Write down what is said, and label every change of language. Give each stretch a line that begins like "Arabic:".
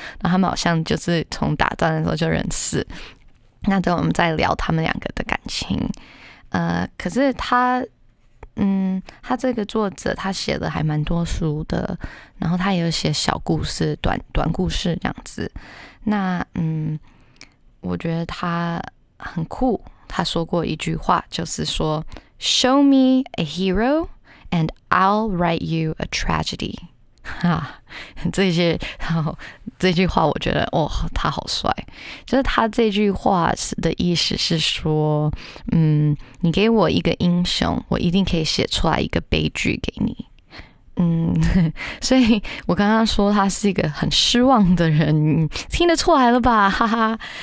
Chinese: 然后他们好像就是从打仗的时候就认识。那等我们再聊他们两个的感情。可是他这个作者他写的还蛮多书的，然后他也有写小故事，短故事这样子。那我觉得他很酷，他说过一句话，就是说
English: Show me a hero and I'll write you a tragedy。
Chinese: 哈，这句话我觉得哦，他好帅。就是他这句话的意思是说，你给我一个英雄，我一定可以写出来一个悲剧给你。所以我刚刚说他是一个很失望的人，听得出来了吧？哈哈。